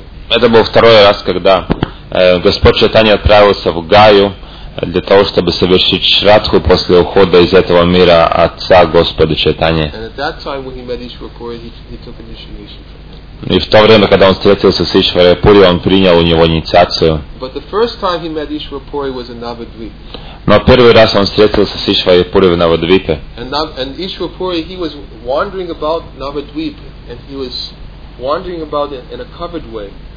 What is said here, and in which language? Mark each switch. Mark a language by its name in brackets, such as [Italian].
[Russian] Это был второй раз, когда Господь Чайтанья отправился в Гаю для того, чтобы совершить Шраддху после ухода из этого мира отца Господа Чайтанья. [English] And at that time when he met Ishwara Puri, he took initiation. [Russian] И в то время, когда он встретился с Ишварой Пури, он принял у него инициацию. [English] But the first time he met Ishwara Puri was in Navadvip. [Russian] Но первый раз он встретился с Ишварой Пури в Навадвипе. [English] And Ishwara Puri, he was wandering about Navadvip, and he was wandering about it in a covered way.